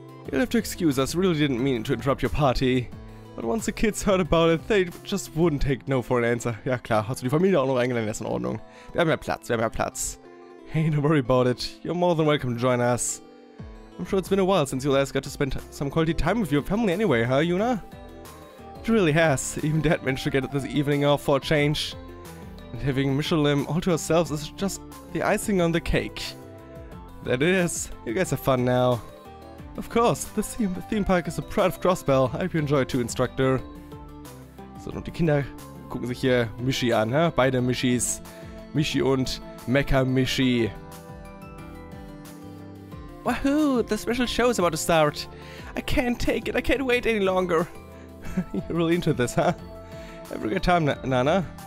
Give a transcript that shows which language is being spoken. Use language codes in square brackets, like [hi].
[en] You'll have to excuse us, really didn't mean to interrupt your party. But once the kids heard about it, they just wouldn't take no for an answer. [de] Ja klar, hast du die Familie auch noch eingeladen, das ist in Ordnung. Wir haben ja Platz, wir haben ja Platz. [en] Hey, don't worry about it. You're more than welcome to join us. I'm sure it's been a while since you last got to spend some quality time with your family anyway, huh, Yuna? It really has. Even Dad managed to get this evening off for a change. And having Michelin all to ourselves is just the icing on the cake. That is. You guys have fun now. Of course, the theme park is the pride of Crossbell. I hope you enjoy it too, Instructor. [de] So, und die Kinder gucken sich hier Michi an, huh? Beide Michis. Michi und... Mecha-Mishi. [en] Wahoo! The special show is about to start. I can't take it. I can't wait any longer. You're really into this, huh? Have a good time, Nana.